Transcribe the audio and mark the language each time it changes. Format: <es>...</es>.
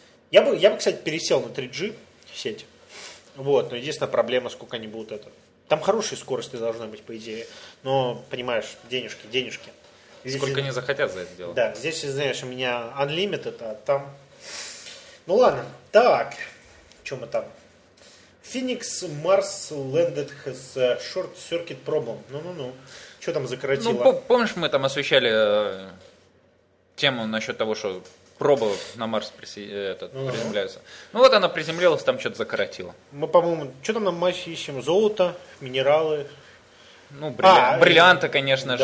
<ru>Я бы, кстати, пересел на 3G сеть. Вот, но единственная проблема, сколько они будут это. Там хорошие скорости должны быть, по идее. Но, понимаешь, денежки. Здесь, сколько они захотят за это делать. Да, здесь, знаешь, у меня unlimited, а там... Ну ладно, так, что мы там?</ru> <en>Phoenix Mars landed has a short circuit problem.</en> <ru>Ну-ну-ну, что там закоротило? Ну, помнишь, мы там освещали тему насчет того, что проба на Марс приземляется. Ну вот она приземлилась, там что-то закоротило. Мы, по-моему, что там на Марсе ищем? Золото, минералы. Ну, бриллианты, конечно же.</ru>